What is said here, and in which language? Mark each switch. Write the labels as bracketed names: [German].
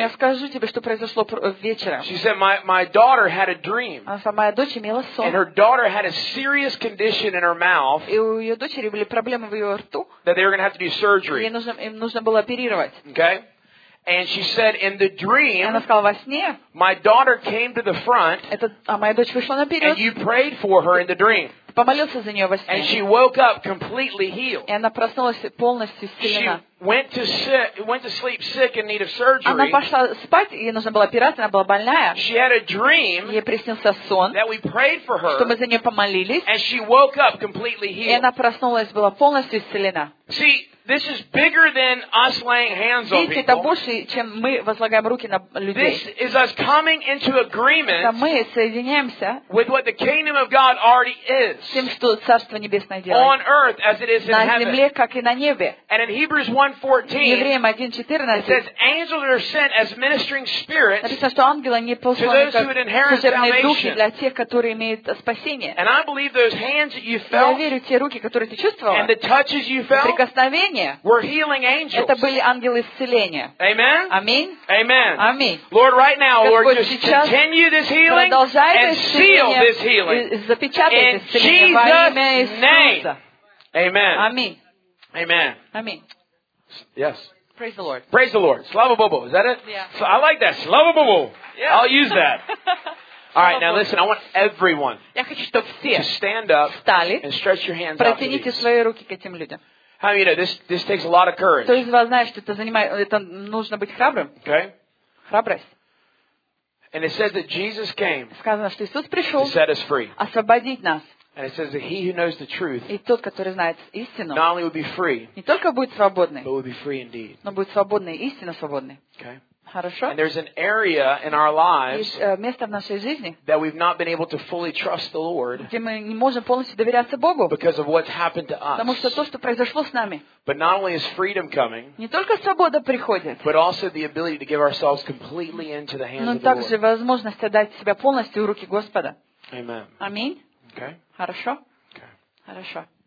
[Russian] Я скажу тебе, что произошло вечером. [English] She said, my daughter had a dream. [Russian] Она, моя дочь имела сон. [English] And her daughter had a serious condition in her mouth. [Russian] И у ее дочери были проблемы в ее рту. [English] That they were going to have to do surgery. [Russian] Им нужно было оперировать. [English] Okay? And she said, in the dream, [Russian] сказала, во сне, [English] my daughter came to the front, [Russian] моя дочь вышла наперед, [English] and you prayed for her in the dream. [Russian] Помолился за нее во сне. [English] And she woke up completely healed. [Russian] И она проснулась полностью исцелена. [English] Went to sleep sick in need of surgery. [Russian] Она пошла спать, ей нужно было операция, она была больная. [English] She had a dream. [Russian] Ей приснился сон. [English] That we prayed for her. [Russian] Что мы за нее помолились. [English] And she woke up completely healed. [Russian] И она проснулась, была полностью исцелена. [English] See, this is bigger than us laying hands on people. [Russian] Это больше, чем мы возлагаем руки на людей. [English] This is us coming into agreement. [Russian] Это мы соединяемся. [English] With what the kingdom of God already is. [Russian] С тем, что царство небесное делает. [English] On earth as it is in heaven. [Russian] На земле как и на небе. [English] And in Hebrews 1:14 it says angels are sent as ministering spirits [Russian] написано, что ангелы не посланы [English] to those who would inherit salvation. And I believe those hands that you felt, [Russian] я верю, те руки, которые ты чувствовал, [English] and the touches you felt, [Russian] прикосновения, [English] were healing angels. [Russian] Это были ангелы исцеления. [English] Amen? Amen. Amen. Amen. Lord, right now, [Russian] Господь, [English] Lord, just continue this healing and seal this healing in Jesus' name. Amen. Amen. Amen. Amen. Yes. Praise the Lord. Praise the Lord. [Russian] Slava Bobo. [English] Is that it? Yeah. So I like that. [Russian] Slava Bobo. [English] Yeah. I'll use that. All right. Now listen. I want everyone to stand up and stretch your hands out to these. [Russian] Протяните свои руки к этим людям. [English] How many of you know this takes a lot of courage? [Russian] Кто из вас знает, что это занимает, это нужно быть храбрым? [English] Okay. [Russian] Храбрость. [English] And it says that Jesus came. [Russian] Сказано, что Иисус пришел. [English] To set us free. [Russian] Освободить нас. [English] And it says that he who knows the truth, [Russian] и тот, который знает истину, [English] not only will be free, [Russian] не только будет свободный, [English] but will be free indeed. [Russian] Но будет свободный, истинно свободный. [English] Okay. [Russian] Хорошо. [English] And there's an area in our lives, [Russian] место в нашей жизни, [English] that we've not been able to fully trust the Lord, [Russian] где мы не можем полностью доверяться Богу, [English] because of what's happened to us. [Russian] Потому что то, что произошло с нами. [English] But not only is freedom coming, [Russian] не только свобода приходит, [English] but also the ability to give ourselves completely into the hands of the Lord. [Russian] Но также возможность отдать себя полностью в руки Господа. [English] Amen. [Russian] Аминь. [English] Okay. [Russian] Хорошо. [English] Okay. [Russian] Хорошо.